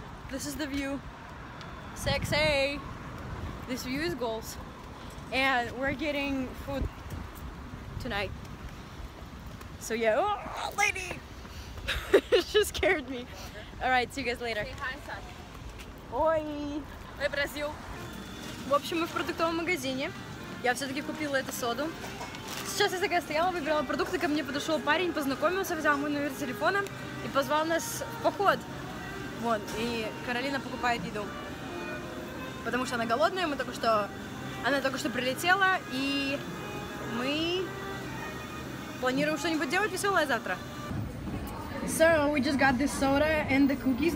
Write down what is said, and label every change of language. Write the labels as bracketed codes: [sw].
[en] This is the view. Sexy. This view is goals. And we're getting food tonight. So yeah. Oh, lady! She scared me. Alright, see you guys later. Say hi, Sasha. Oi. Hey, Brazil. [ru] В общем, мы в продуктовом магазине. Я все-таки купила эту соду. Сейчас я такая стояла, выбирала продукты, ко мне подошел парень, познакомился, взял мой номер телефона и позвал нас в поход. Вот, и Каролина покупает еду. Потому что она голодная, она только что прилетела, и мы планируем что-нибудь делать веселое завтра. [en] So, we just got this soda and the cookies.